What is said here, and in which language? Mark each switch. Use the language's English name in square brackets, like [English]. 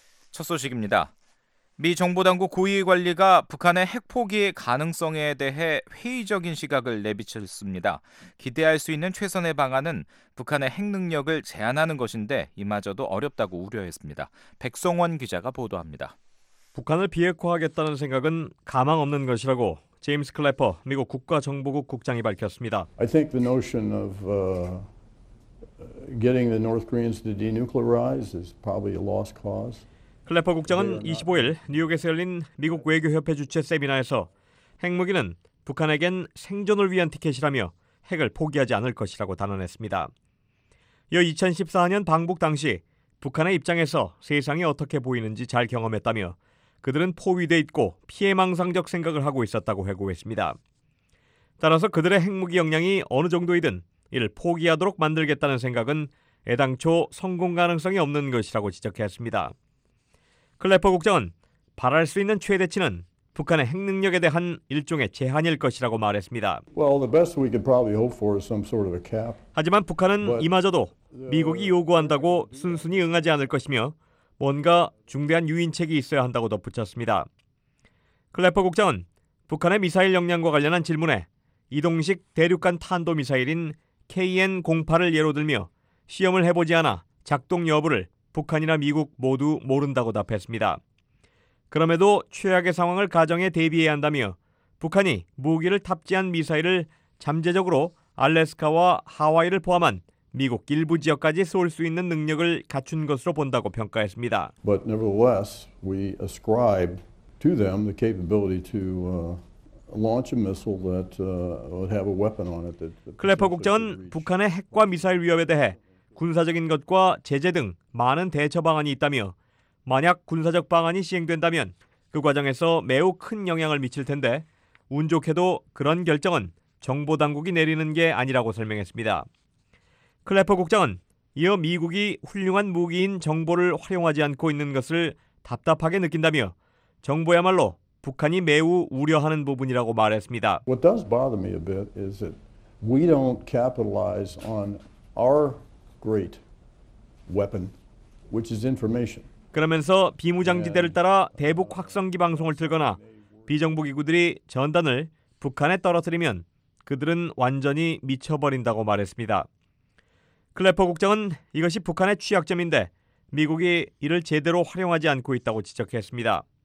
[Korean] 첫 소식입니다. 미 정보당국 고위관리가 북한의 핵포기 가능성에 대해 회의적인 시각을 내비쳤습니다. 기대할 수 있는 최선의 방안은 북한의 핵능력을 제한하는 것인데 이마저도 어렵다고 우려했습니다. 백성원 기자가 보도합니다. 북한을 비핵화하겠다는 생각은 가망 없는 것이라고 제임스 클래퍼 미국 국가정보국 국장이 밝혔습니다. [English] I think the notion of getting the North Koreans to denuclearize is probably a lost cause. [Korean] 클래퍼 국장은 25일 뉴욕에서 열린 미국 외교협회 주최 세미나에서 핵무기는 북한에겐 생존을 위한 티켓이라며 핵을 포기하지 않을 것이라고 단언했습니다. 이어 2014년 방북 당시 북한의 입장에서 세상이 어떻게 보이는지 잘 경험했다며 그들은 포위돼 있고 피해망상적 생각을 하고 있었다고 회고했습니다. 따라서 그들의 핵무기 역량이 어느 정도이든 이를 포기하도록 만들겠다는 생각은 애당초 성공 가능성이 없는 것이라고 지적했습니다. 클래퍼 국장은 바랄 수 있는 최대치는 북한의 핵능력에 대한 일종의 제한일 것이라고 말했습니다. [English] Well, the best we could probably hope for is some sort of a cap. [Korean] 하지만 북한은 이마저도 미국이 요구한다고 순순히 응하지 않을 것이며 뭔가 중대한 유인책이 있어야 한다고 덧붙였습니다. 클래퍼 국장은 북한의 미사일 역량과 관련한 질문에 이동식 대륙간 탄도미사일인 KN-08을 예로 들며 시험을 해보지 않아 작동 여부를 북한이나 미국 모두 모른다고 답했습니다. 그럼에도 최악의 상황을 가정해 대비해야 한다며 북한이 무기를 탑재한 미사일을 잠재적으로 알래스카와 하와이를 포함한 미국 일부 지역까지 쏠 수 있는 능력을 갖춘 것으로 본다고 평가했습니다. [English] But nevertheless, we ascribed to them the capability to launch a missile that would have a weapon on it. [Korean] 클래퍼 국장은 북한의 핵과 미사일 위협에 대해 군사적인 것과 제재 등 많은 대처 방안이 있다며 만약 군사적 방안이 시행된다면 그 과정에서 매우 큰 영향을 미칠 텐데 운 좋게도 그런 결정은 정보 당국이 내리는 게 아니라고 설명했습니다. 클래퍼 국장은 이어 미국이 훌륭한 무기인 정보를 활용하지 않고 있는 것을 답답하게 느낀다며 정보야말로 북한이 매우 우려하는 부분이라고 말했습니다. [English] What does bother me a bit is that we don't capitalize on our great weapon, which is information. [Korean] 그러면서 비무장지대를 따라 대북 확성기 방송을 틀거나 비정부기구들이 전단을 북한에 떨어뜨리면 그들은 완전히 미쳐버린다고 말했습니다. 클래퍼 국장은 이것이 북한의 취약점인데 미국이 이를 제대로 활용하지 않고 있다고 지적했습니다.